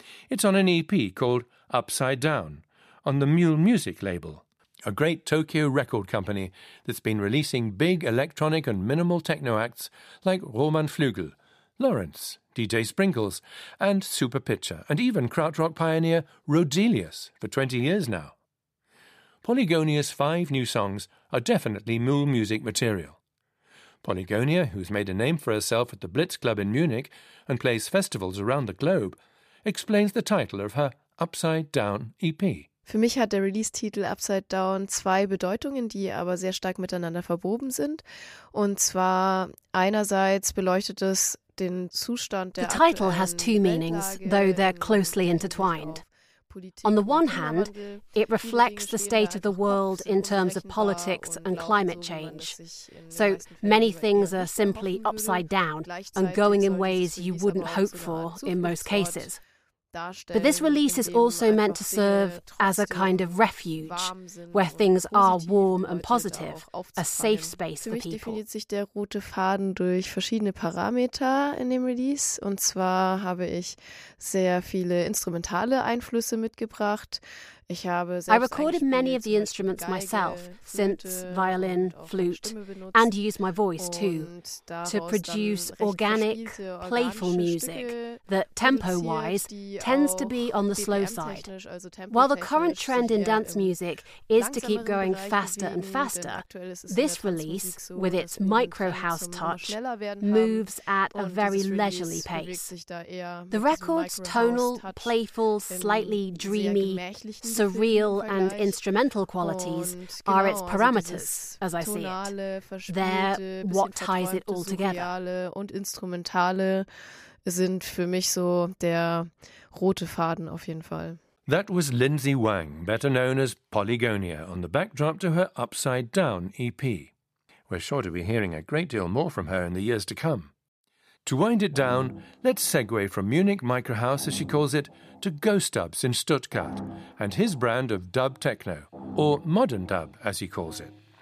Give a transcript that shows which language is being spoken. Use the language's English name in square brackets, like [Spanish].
[English] It's on an EP called Upside Down on the Mule Music label, a great Tokyo record company that's been releasing big electronic and minimal techno acts like Roman Flügel, Lawrence, DJ Sprinkles, and Super Pitcher, and even krautrock pioneer Rodelius for 20 years now. Polygonia's five new songs are definitely Mule Music material. Polygonia, who's made a name for herself at the Blitz Club in Munich and plays festivals around the globe, explains the title of her Upside Down EP. [German] Für mich hat der Release-Titel Upside Down zwei Bedeutungen, die aber sehr stark miteinander verwoben sind. Und zwar einerseits beleuchtet es den Zustand der aktuellen Weltlage. [English] The title has two meanings, though they're closely intertwined. On the one hand, it reflects the state of the world in terms of politics and climate change. So many things are simply upside down and going in ways you wouldn't hope for in most cases. But this release is also meant to serve as a kind of refuge, where things are warm and positive, a safe space for people. [German] Für mich definiert sich der rote Faden durch verschiedene Parameter in dem Release. Und zwar habe ich sehr viele instrumentale Einflüsse mitgebracht. [English] I recorded many of the instruments myself, synths, violin, flute, and used my voice too, to produce organic, playful music that, tempo-wise, tends to be on the slow side. While the current trend in dance music is to keep going faster and faster, this release, with its micro house touch, moves at a very leisurely pace. The record's tonal, playful, slightly dreamy, surreal and instrumental qualities are its parameters, as I see it. They're what ties it all together. [German] Und instrumentale sind für mich so der rote Faden auf jeden Fall. [English] That was Lindsay Wang, better known as Polygonia, on the backdrop to her Upside Down EP. We're sure to be hearing a great deal more from her in the years to come. To wind it down, let's segue from Munich Microhouse, as she calls it, to Ghost Dubs in Stuttgart and his brand of dub techno, or modern dub, as he calls it.